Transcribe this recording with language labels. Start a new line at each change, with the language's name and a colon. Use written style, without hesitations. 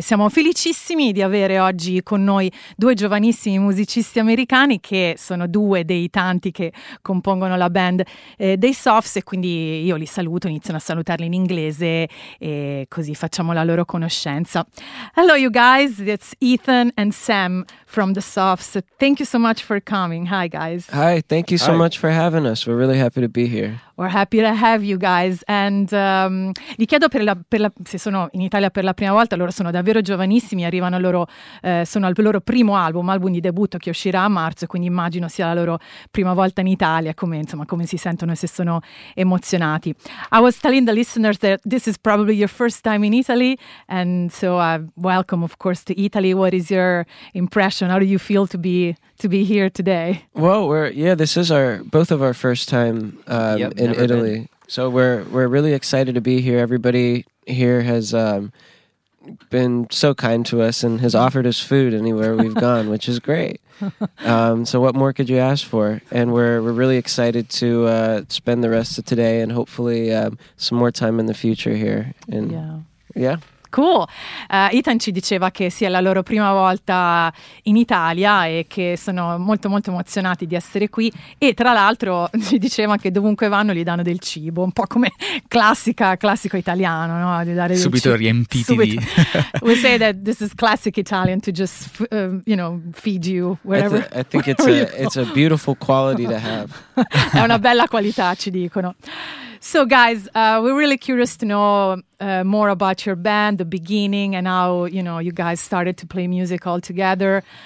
Italian: Siamo felicissimi di avere oggi con noi due giovanissimi musicisti americani, che sono due dei tanti che compongono la band dei Softs, e quindi io li saluto, iniziano a salutarli in inglese e così facciamo la loro conoscenza.
English: Hello you guys, it's Ethan and Sam from the Softs. Thank you so much for coming. Hi guys. Hi, thank you so much for having us. We're really happy to be here. We're happy to have you guys. And
Italian: li chiedo per la se sono in Italia per la prima volta. Loro sono davvero giovanissimi, arrivano sono al loro primo album di debutto, che uscirà a marzo, quindi immagino sia la loro prima volta in Italia. Come si sentono, se sono emozionati?
English: I was telling the listeners that this is probably your first time in Italy, and so welcome of course to Italy. What is your impression? How do you feel to be here today? Well, this is both of our first time in Italy. Been. So we're really excited to be here. Everybody here has been so kind to us and has offered us food anywhere we've gone, which is great. So what more could you ask for? And we're really excited to spend the rest of today and hopefully some more time in the future here. And yeah. Cool.
Italian: Ethan ci diceva che sia la loro prima volta in Italia e che sono molto molto emozionati di essere qui, e tra l'altro ci diceva che dovunque vanno gli danno del cibo, un po' come classico italiano, no? Di dare subito del riempiti subito. Di
English: we say that this is classic Italian to just feed you wherever. I think it's a beautiful quality to have.
Italian: È una bella qualità, ci dicono.
English: So guys, we're really curious to know more about your band, the beginning, and how, you know, you guys started to play music all together.